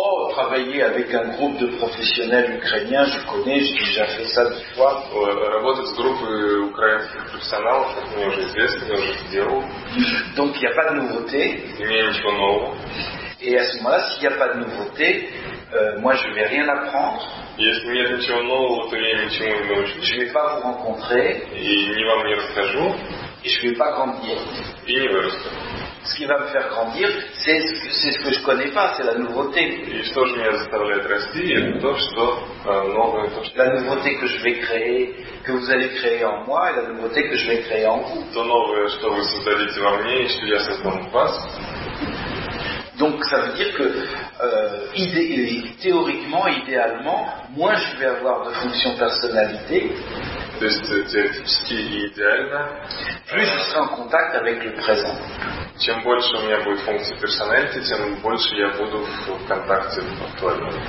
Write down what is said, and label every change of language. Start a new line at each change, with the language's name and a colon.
French: Travailler avec un groupe de professionnels ukrainiens, je connais, j'ai déjà fait ça deux fois.
Russian: Работать с группой украинских профессионалов, это мне уже известно, я уже это делал.
French: Donc il n'y a pas de nouveauté.
Russian: Нет ничего нового.
French: Et à ce moment-là, s'il n'y a pas de nouveauté, moi je ne vais rien apprendre.
Russian: Если нет ничего нового, то я ничему не научу.
French: Je ne vais pas vous rencontrer.
Russian: И ни вам не расскажу.
French: Et je ne vais pas grandir.
Russian: И не вырасту.
French: Ce qui va me faire grandir, c'est ce que je connais pas, c'est la nouveauté. Et
Russian: что же меня заставляет расти, это то, что новое, то, что
French: la nouveauté que je vais créer, que vous allez créer en moi, et la nouveauté que je vais créer en vous.
Russian: То новое, что вы создадите во мне, и что я создам в вас.
French: Donc ça veut dire que théoriquement, idéalement, moins je vais avoir de fonction personnalité.
Russian: То есть теоретически идеально.
French: Plus je serai en contact avec le présent.
Russian: Чем больше у меня будет функций персоналити, тем больше я буду в контакте актуально.